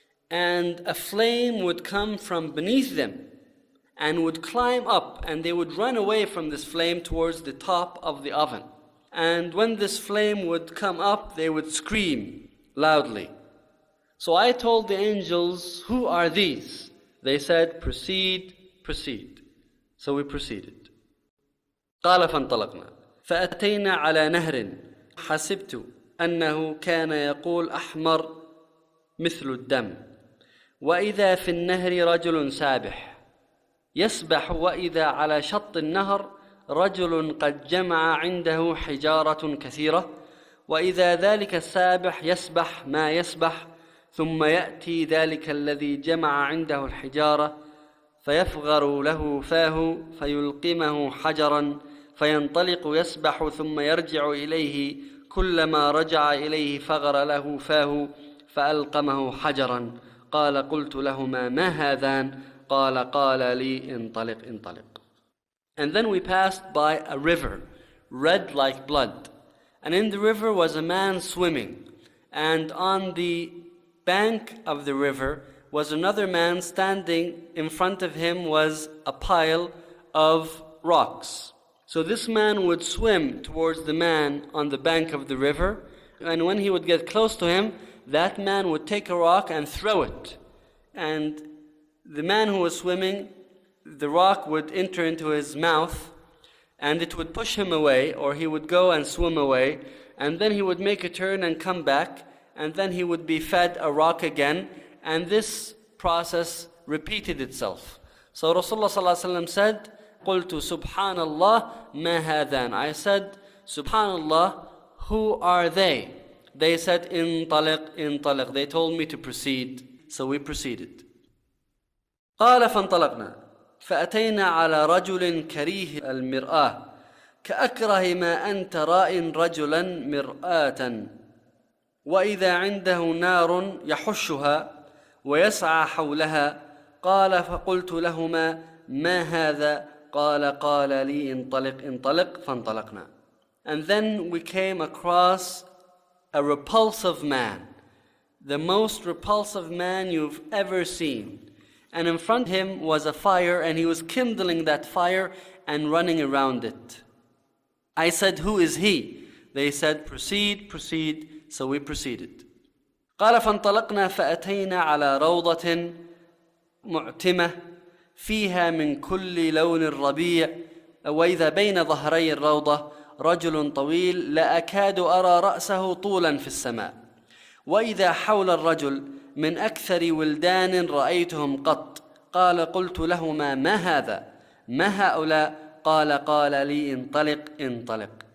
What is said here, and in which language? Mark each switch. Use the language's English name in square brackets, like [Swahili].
[English] And a flame would come from beneath them and would climb up and they would run away from this flame towards the top of the oven. And when this flame would come up, they would scream loudly. So I told the angels, who are these? They said, proceed, proceed. So we proceeded. [Arabic] قَالَ فَانْطَلَقْنَا فَأَتَيْنَا عَلَى نَهْرٍ حَسِبْتُ أَنَّهُ كَانَ يَقُولْ أَحْمَرْ مِثْلُ الدَّمْ وَإِذَا فِي النَّهْرِ رَجُلٌ سَابِحٌ يَسْبَحُ وَإِذَا عَلَى شَطِّ النَّهْرِ رجل قد جمع عنده حجارة كثيرة وإذا ذلك السابح يسبح ما يسبح ثم يأتي ذلك الذي جمع عنده الحجارة فيفغر له فاه فيلقمه حجرا فينطلق يسبح ثم يرجع إليه كلما رجع إليه فغر له فاه فألقمه حجرا قال قلت لهما ما هذان قال لي انطلق انطلق [English] And then we passed by a river, red like blood. And in the river was a man swimming. And on the bank of the river was another man standing. In front of him was a pile of rocks. So this man would swim towards the man on the bank of the river. And when he would get close to him, that man would take a rock and throw it. And the man who was swimming, the rock would enter into his mouth and it would push him away or he would go and swim away and then he would make a turn and come back and then he would be fed a rock again and this process repeated itself. So Rasulullah ﷺ said, [Arabic] قُلْتُ سُبْحَانَ اللَّهِ مَا هَذَان [English] I said, Subhanallah, who are they? They said, [Arabic] انطلق انطلق [English] They told me to proceed. So we proceeded. [Arabic] قَالَ فَانْطَلَقْنَا فأتينا على رجل كريه المرآة كأكره ما أنت رائن رجلا مرآة وإذا عنده نار يحشها ويسعى حولها قال فقلت لهما ما هذا قال لي انطلق انطلق فانطلقنا [English] And then we came across a repulsive man, the most repulsive man you've ever seen. And in front of him was a fire, and he was kindling that fire and running around it. I said, who is he? They said, proceed, proceed. So we proceeded. [Arabic] قَالَ فَانْطَلَقْنَا فَأَتَيْنَا عَلَى رَوْضَةٍ مُعْتِمَةٍ فِيهَا مِنْ كُلِّ لَوْنِ الرَّبِيعِ وَإِذَا بَيْنَ ظَهْرَيِ الرَّوْضَةِ رَجُلٌ طَوِيلٌ لَأَكَادُ أَرَى رَأْسَهُ طُولًا فِي السَّمَاءِ وَإِذَا حَوْلَ الرَّجُلِ من أكثر ولدان رأيتهم قط قال قلت لهما ما هذا ما هؤلاء قال لي انطلق انطلق